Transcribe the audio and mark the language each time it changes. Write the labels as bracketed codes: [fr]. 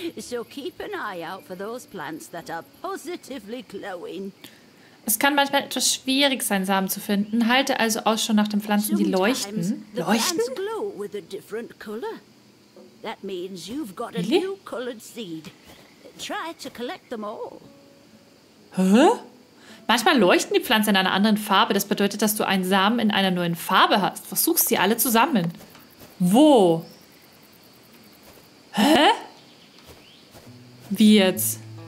[en] So keep an eye out for those plants that are positively glowing. [de] Es kann manchmal etwas schwierig sein, Samen zu finden. Halte also Ausschau nach den Pflanzen, die leuchten. Leuchten? [en] Glow with a different color. That means you've got a new colored seed. Try to collect them all. Hä? [de] Manchmal leuchten die Pflanzen in einer anderen Farbe. Das bedeutet, dass du einen Samen in einer neuen Farbe hast. Versuch sie alle zu sammeln. Wo? Hä? Wie jetzt?